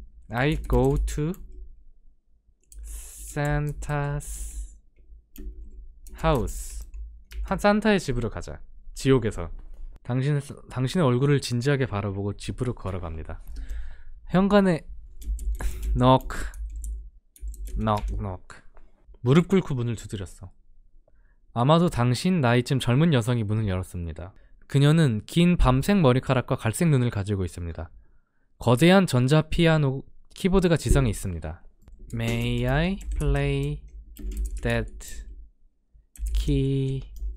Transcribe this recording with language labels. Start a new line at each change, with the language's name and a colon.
English: I go to Santa's house.
Korean: 산타의 집으로 가자. 지옥에서. 당신의 얼굴을 진지하게 바라보고 집으로 걸어갑니다. 현관에
English: knock, knock, knock.
Korean: 무릎 꿇고 문을 두드렸어. 아마도 당신 나이쯤 젊은 여성이 문을 열었습니다. 그녀는 긴 밤색 머리카락과 갈색 눈을 가지고 있습니다. 거대한 전자 피아노 키보드가 지상에 있습니다.
English: May I play that keyboard?